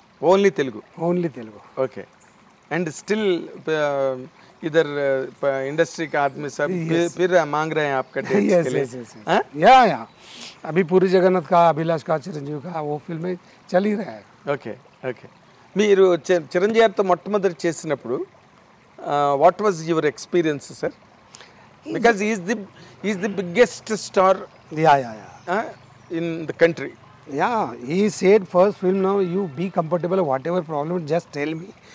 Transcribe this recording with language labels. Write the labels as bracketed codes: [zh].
[en] Only Telugu. Only Telugu. Okay. [hi] And still इधर industry का आदमी सब फिर मांग रहे हैं आपका डेट्स के लिए? या या, अभी पूरी जगन्नाथ का, अभिलाष का, चिरंजीव का, वो फिल्में चल ही रहा है. [en] Okay okay. [te] మీరు చిరంజీవి గారితో మొట్టమొదటి చేసినప్పుడు [en] What was your experience sir? Because he is the biggest star. Yeah, yeah, yeah. In the country. Yeah, he said first film, now you be comfortable, whatever problem, just tell me.